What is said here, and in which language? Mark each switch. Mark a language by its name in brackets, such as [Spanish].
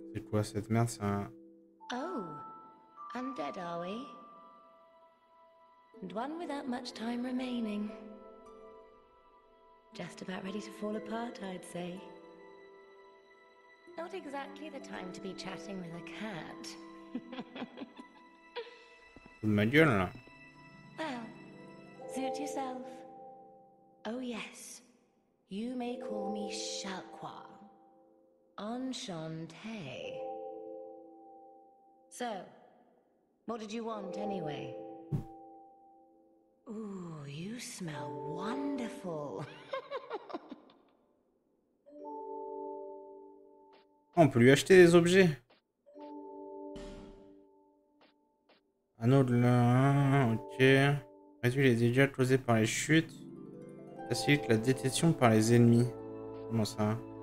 [French] Quoi, cette merde, c'est un... [English] Oh, undead, are we? And one without much time remaining. Just about ready to fall apart, I'd say. Not exactly the time to be chatting with a cat. [French] Ma gueule, là. [English] Well, suit yourself. Oh yes, you may call me Shalqua. [French] Enchanté. [English] So, what did you want anyway? Ooh, you smell wonderful. [French] On peut lui acheter des objets. Anneau de l'un, ok. Réduit les dégâts causés par les chutes. Facilite la détection par les ennemis. Comment ça?